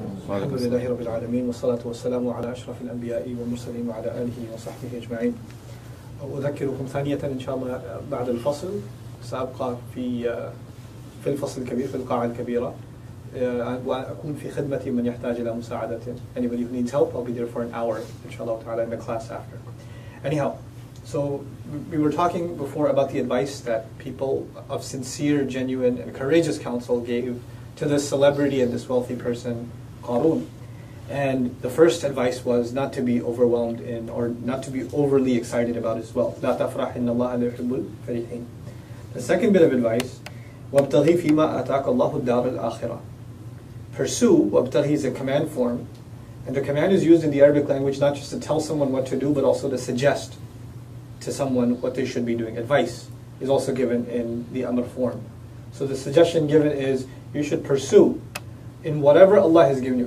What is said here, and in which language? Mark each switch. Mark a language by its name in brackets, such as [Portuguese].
[Arabic] الحمد لله رب العالمين والصلاة والسلام على أشرف الأنبياء والمرسلين وعلى آله وصحبه أجمعين. أذكركم ثانية إن شاء الله بعد الفصل سأبقى في الفصل الكبير في القاعة الكبيرة وأكون في خدمة من يحتاج إلى مساعدة. [English] Anybody who needs help, I'll be there for an hour [Arabic] إن شاء الله تعالى [English] in the class after. Anyhow, so we were talking before about the advice that people of sincere, genuine, and courageous counsel gave to this celebrity and this wealthy person, Qarun. And the first advice was not to be overwhelmed in, or not to be overly excited about his wealth. [Arabic] لا تفرح إن الله لا يحب الفرحين. [English] The second bit of advice, [Arabic] وابتغي فيما أتاك الله الدار الآخرة. [English] Pursue, وابتغي is a command form. And the command is used in the Arabic language not just to tell someone what to do, but also to suggest to someone what they should be doing. Advice is also given in the Amr form. So the suggestion given is, you should pursue in whatever Allah has given you.